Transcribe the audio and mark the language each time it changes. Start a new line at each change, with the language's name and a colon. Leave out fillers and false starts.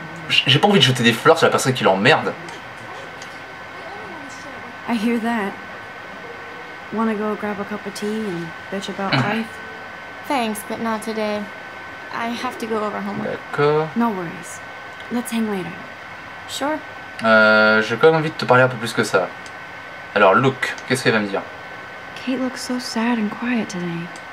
French: J'ai pas envie de jeter des fleurs sur la personne qui l'emmerde.
English: I hear that. Wanna go grab a cup of tea and bitch about life? Thanks, but not today. I have to go over homework.
French: D'accord.
English: No worries. Let's hang later. Sure.
French: J'ai quand même envie de te parler un peu plus que ça. Alors, look, qu'est-ce qu'elle va me dire?
English: Kate looks so sad and quiet today.